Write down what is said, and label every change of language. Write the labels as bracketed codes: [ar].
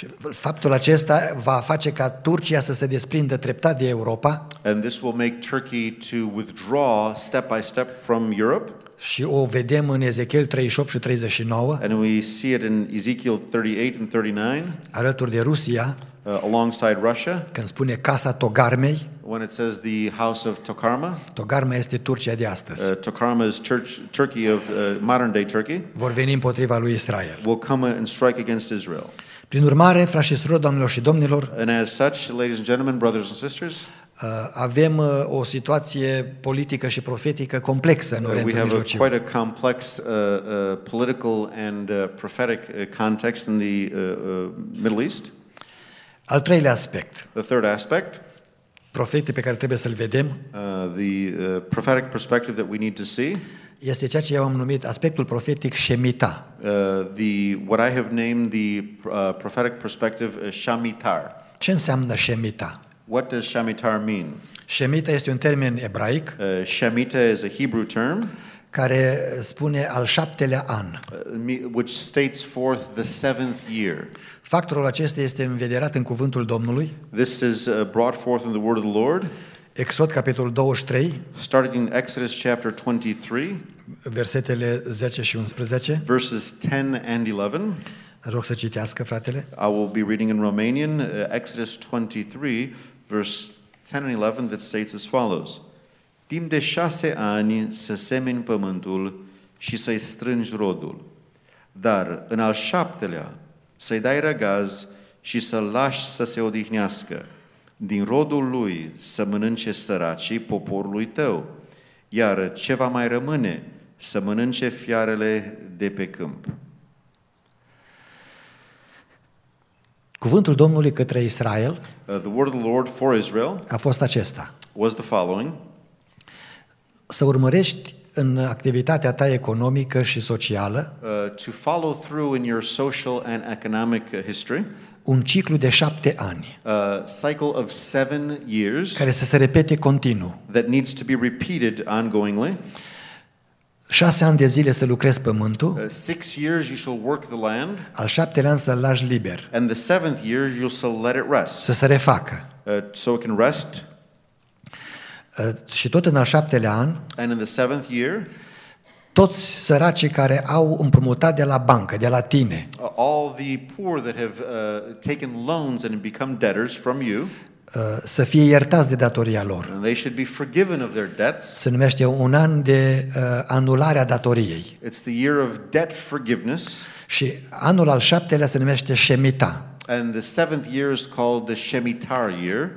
[ro] Faptul acesta va face ca Turcia să se desprindă treptat de Europa. [en] And this will make Turkey to withdraw step by step from Europe. [ro] Și o vedem în Ezechiel 38 și 39. [en] And we see it in Ezekiel 38 and 39. [ro] Alături de Rusia. [en] Alongside Russia. [ro] Când spune casa Togarmei. [en] When it says the house of Tokarma. [ro] Togarma este Turcia de astăzi. [en] Tokarma is Turkey of modern day Turkey. [ro] Vor veni împotriva lui Israel. [en] Will come and strike against Israel. [ro] Prin urmare, frați și surori, doamnelor și domnilor, [en] and as such, ladies and gentlemen, brothers and sisters, [ro] avem o situație politică și profetică complexă în Orientul Mijlociu. [en] We have quite a complex political and prophetic context in the Middle East. [ro] Al treilea aspect. [en] The third aspect. [ro] Profetii pe care trebuie să-l vedem. [en] Prophetic perspective that we need to see. [ro] Este ceea ce eu am numit aspectul profetic Shemitah. [en] What I have named the prophetic perspective Shemitah. [ro] Ce înseamnă Shemitah? [en] What does Shemitah mean? [ro] Shemitah este un termen ebraic. [en] Shemitah is a Hebrew term. [ro] Care spune al șaptelea an. [en] Which states forth the seventh year. [ro] Factorul acesta este învederat în cuvântul Domnului. [en] This is brought forth in the word of the Lord. [ro] Exod capitolul 23. [en] Starting in Exodus chapter 23. [ro] Versetele 10 și 11. [en] Verses 10 and 11. [ro] Rog să citească, fratele. [en] I will be reading in Romanian, Exodus 23, verse 10 and 11, that states as follows. [ro] Timp de 6 ani să semeni pământul și să-i strângi rodul, dar în al șaptelea să-i dai răgaz și să-l lași să se odihnească. Din rodul lui să mănânce săracii poporului tău, iar ce va mai rămâne, să mănânce fiarele de pe câmp. Cuvântul Domnului către Israel, [en] the word of the Lord for Israel, [ro] a fost acesta. [en] Was the following. [ro] Să urmărești în activitatea ta economică și socială, [en] to follow through in your social and economic history, [ro] un ciclu de 7 ani, [en] a cycle of 7 years, [ro] care să se repete continuu, [en] that needs to be repeated ongoingly, [ro] 6 ani de zile să lucrezi pământul. [en] 6 years you shall work the land. [ro] Al 7-lea an să-l lași liber. [en] And the 7th year you shall let it rest. [ro] Să se refacă. [en] So it can rest. [ro] Și tot în al 7-lea an. [en] And in the 7th year. [ro] Toți săracii care au împrumutat de la bancă, de la tine. [en] All the poor that have taken loans and become debtors from you. [ro] Să fie iertați de datoria lor. [en] And they should be forgiven of their debts. [ro] Se numește un an de anulare a datoriei. [en] It's the year of debt forgiveness. [ro] Și anul al 7-lea se numește Shemitah. [en] And the 7th year is called the Shemitar year.